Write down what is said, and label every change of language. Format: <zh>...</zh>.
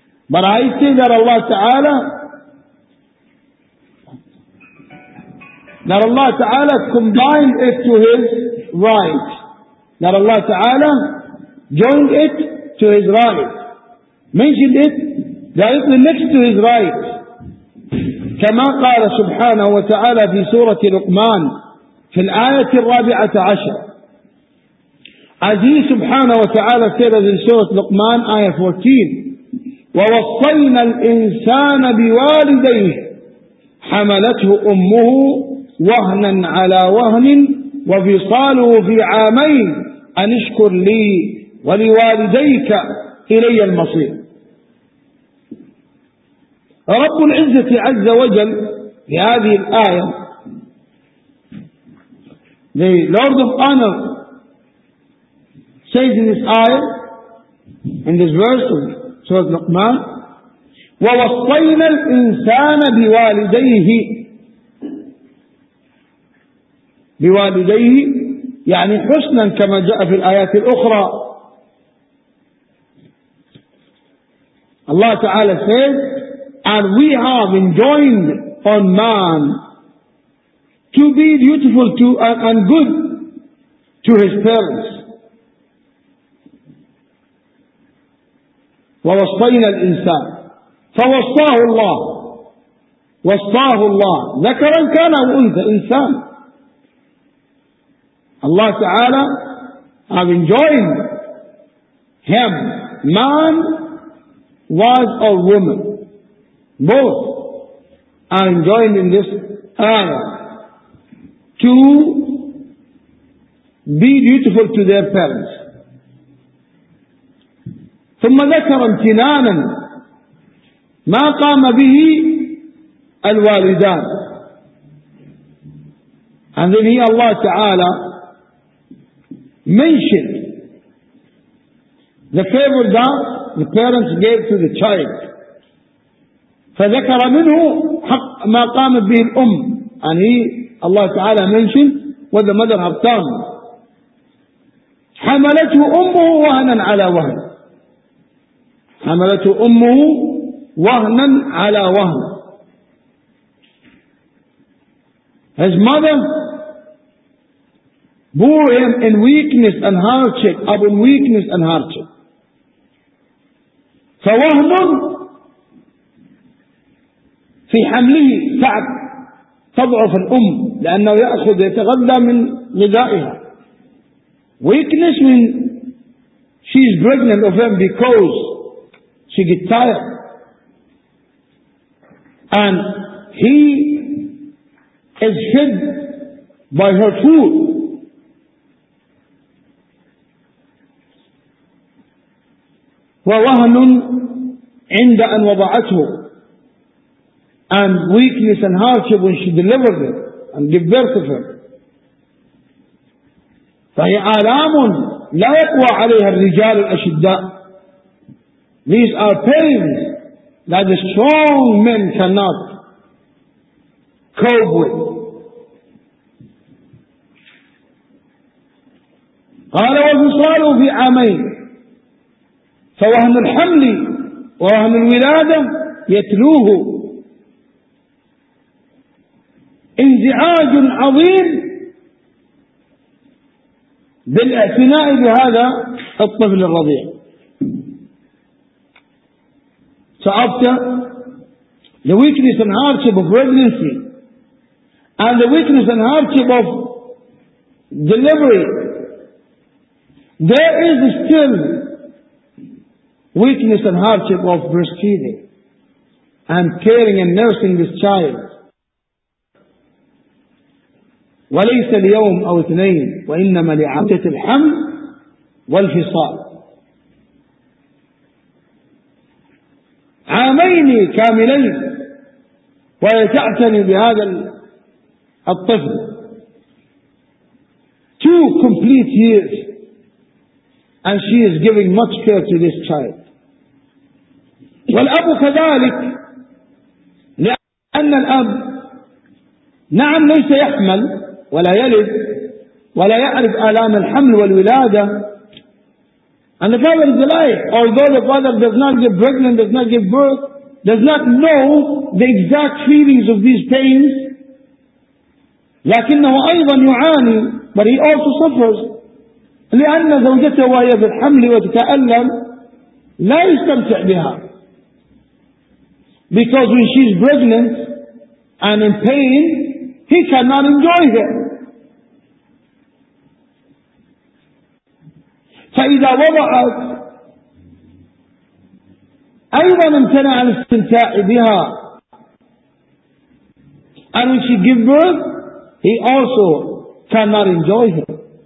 <en>But I say that Allah Ta'ala, that Allah Ta'ala combined it to his right. That Allah Ta'ala joined it to his right. Mentioned it directly next to his right.</en> <ar>كما قال سبحانه وتعالى في سورة لقمان في الآية الرابعة عشر.</ar> <en>As he subhanahu wa ta'ala says in Surah Luqman, ayah 14,</en> <ar>وَوَصَّيْنَا الْإِنسَانَ بِوَالِدَيْهِ حَمَلَتْهُ أُمُّهُ وَهْنًا عَلَى وَهْنٍ وَفِصَالُهُ فِي عَامَيْنِ أَنِ اشْكُرْ لِي وَلِوَالِدَيْكَ إِلَيَّ الْمَصِيرُ. رب العزة عز وجل في هذه الآية,</ar> <en>the Lord of Honor says in this ayah, in this verse of Surah Luqman,</en> <ar>وَوَصَّيْنَا الْإِنسَانَ بِوَالِدَيْهِ بِوَالِدَيْهِ يعني حسنا كما جاء في الآيات الأخرى.</ar> <en>Allah Ta'ala says, and we have enjoined on man to be beautiful to and good to his parents.</en> <ar>وَوَصَّيْنَا الْإِنسَانِ فَوَصَّاهُ اللَّهُ وَصَّاهُ اللَّهُ ذَكَرًا كَانَ أُنْثَى إِنسَانِ.</ar> <en>Allah Ta'ala have enjoined him, man was a woman, both are enjoined in this era to be beautiful to their parents.</en> <ar>ثم ذكر امتنانا ما قام به الوالدان.</ar> <en>And then he, Allah Ta'ala, mentioned the favor that the parents gave to the child.</en> <ar>فذكر منه حق ما قام به الأم.</ar> <en>And he, Allah Ta'ala, mentioned what the mother had done.</en> <ar>حملته أمه وهنا على وهن. حملته أمه وهنا على وهن.</ar> <en>His mother bore him in weakness and hardship, upon weakness and hardship.</en> <ar>فوهن في حمله صعب تضعف الأم لأنه يأخذ يتغذى من غذائها.</ar> <en>Weakness when she is pregnant of him because she gets tired. And he is fed by her food.</en> <ar>وَوَهْنٌ عِنْدَ أَنْ وَضَعَتْهُ.</ar> <en>And weakness and hardship when she delivered it and gave birth to her.</en> <ar>فَهِيَ آلَامٌ لَا يَقْوَى عَلَيْهَا الرِّجَالُ الْأَشِدَّاءُ.</ar> <en>These are pains that the strong men cannot cope with.</en> <ar>قال وفصاله في عامين فوهن الحمل ووهن الولادة يتلوه انزعاج عظيم بالاعتناء بهذا الطفل الرضيع.</ar> <en>So after the weakness and hardship of pregnancy and the weakness and hardship of delivery, there is still weakness and hardship of breastfeeding and caring and nursing this child.</en> <ar>وليس اليوم أو اثنين وإنما لعدة الحمل والفصال. عامين كاملين ويتعتني بهذا الطفل.</ar> <en>Two complete years and she is giving much care to this child.</en> <ar>والأب كذلك لأن الأب نعم ليس يحمل ولا يلد ولا يعرف آلام الحمل والولادة.</ar> <en>And the father is alive, although the father does not get pregnant, does not give birth, does not know the exact feelings of these pains.</en> <ar>لكنه أيضا يعاني,</ar> <en>but he also suffers.</en> <ar>لأن زوجته وهي في الحمل وتتألم لا يستمتع بها.</ar> <en>Because when she is pregnant and in pain, he cannot enjoy it.</en> <ar>فإذا وضعت أيضا امتنع عن الاستمتاع بها.</ar> <en>And when she gives birth, he also cannot enjoy her.</en>